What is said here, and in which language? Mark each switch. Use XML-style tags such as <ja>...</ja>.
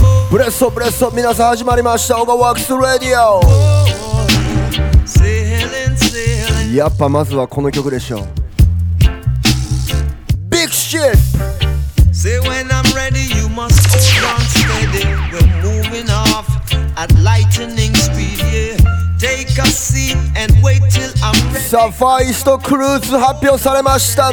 <ja>ブレッソブレッソ、皆さん始まりました、オガワークスラディオ。やっぱまずはこの曲でしょう。</ja> <en>Say when I'm ready, you must hold on steady. We're moving off at lightning speed, yeah. Take a seat and wait till I'm ready.</en> <ja>さあ、ファイストクルーズ発表されました。</ja>